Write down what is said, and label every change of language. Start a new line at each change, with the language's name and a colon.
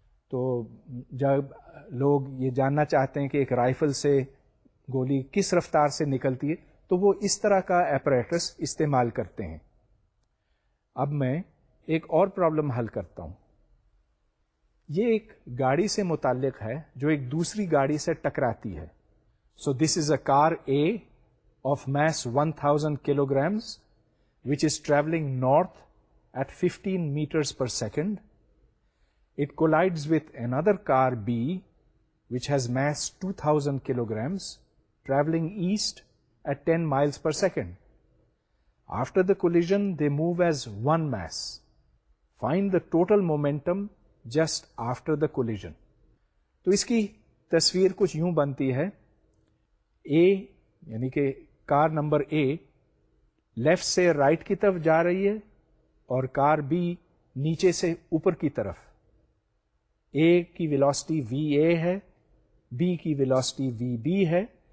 Urdu: تو جب لوگ یہ جاننا چاہتے ہیں کہ ایک رائفل سے گولی کس رفتار سے نکلتی ہے تو وہ اس طرح کا اپریٹس استعمال کرتے ہیں. اب میں ایک اور پرابلم حل کرتا ہوں. یہ ایک گاڑی سے متعلق ہے جو ایک دوسری گاڑی سے ٹکراتی ہے.
English: So this is a car A of mass 1000 kilograms which is travelling north at 15 metres per second. It collides with another car B which has mass 2000 kilograms travelling east at 10 miles per second. After the collision they move as one mass. Find the total momentum just after the collision.
Urdu: تو اس کی تصویر کچھ یوں بنتی ہے. اے یعنی کہ car number اے left سے رائٹ کی طرف جا رہی ہے اور کار بی نیچے سے اوپر کی طرف. اے کی ویلوسٹی وی اے ہے, بی کی ویلوسٹی وی بی ہے.